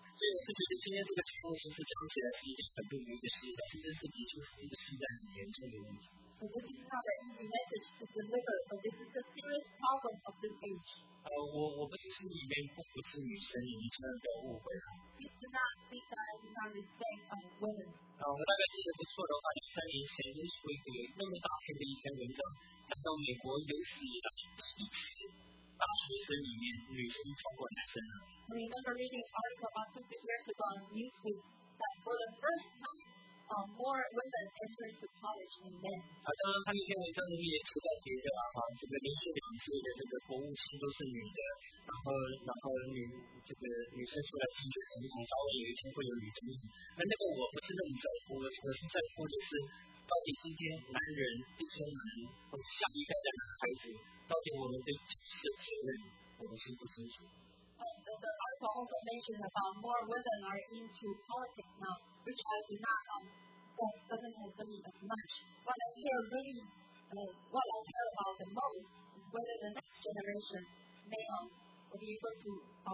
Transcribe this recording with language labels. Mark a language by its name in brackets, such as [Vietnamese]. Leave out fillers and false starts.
[English] So this is not an easy message to deliver, but this is a serious problem of this age. Please do not think that I do not respect women. [Chinese] 我大概记得不错的话，两三年前就是会给那么大篇的一篇文章，讲到美国有史以来第一次大学生里面女生超过男生了。 [English] I remember reading an article about 2 years ago on Newsweek that for the first time, more women entered to college than men. [Chinese] 啊，当然他那篇文章里面也提到别的啊，哈，这个连续两届的这个国务卿都是女的，然后女。女生出来竞选总统，早晚有一天会有女总统。那个我不是那么在乎，我是在乎的是，到底今天男人、弟兄们，或是下一代的男孩子，到底我们对角色责任，我们是不清楚。 [English] The article also mentioned about more women are into politics now, which I do not, that doesn't concern me as much. What I care about the most is whether the next generation may not be able to.